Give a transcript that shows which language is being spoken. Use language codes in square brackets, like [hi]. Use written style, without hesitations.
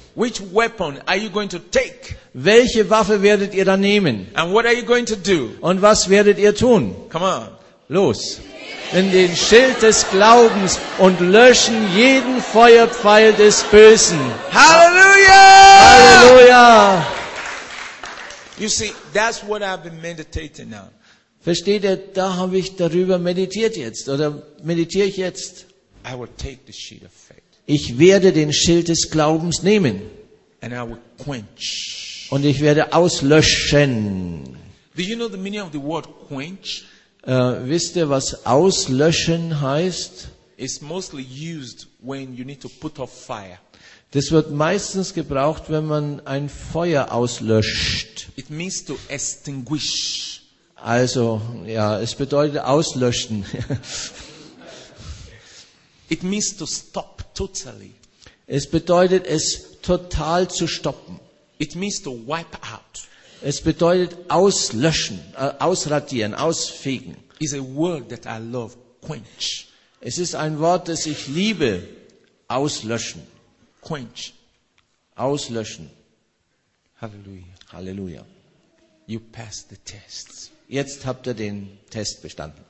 [en] which weapon are you going to take? [de] Welche Waffe werdet ihr dann nehmen? [en] And what are you going to do? [de] Und was werdet ihr tun? [en] Come on. [de] Los! In den Schild des Glaubens und löschen jeden Feuerpfeil des Bösen. Halleluja! Halleluja! [en] You see, that's what I've been meditating now. [de] Versteht ihr, da habe ich darüber meditiert jetzt, oder meditiere ich jetzt? [en] I will take the shield of faith. [de] Ich werde den Schild des Glaubens nehmen. [en] And I will quench. [de] Und ich werde auslöschen. [en] Do you know the meaning of the word quench? [de] Wisst ihr, was auslöschen heißt? [en] It's mostly used when you need to put off fire. [de] Das wird meistens gebraucht, wenn man ein Feuer auslöscht. [en] It means to extinguish. [de] Also, ja, es bedeutet auslöschen. [en] It means to stop totally. [de] Es bedeutet, es total zu stoppen. [en] It means to wipe out. [de] Es bedeutet auslöschen, ausradieren, ausfegen. [en] It's a word that I love, quench. [de] Es ist ein Wort, das ich liebe, auslöschen. [en] Quench. [de] Auslöschen. Halleluja. Halleluja. [en] You passed the tests. [de] Jetzt habt ihr den Test bestanden.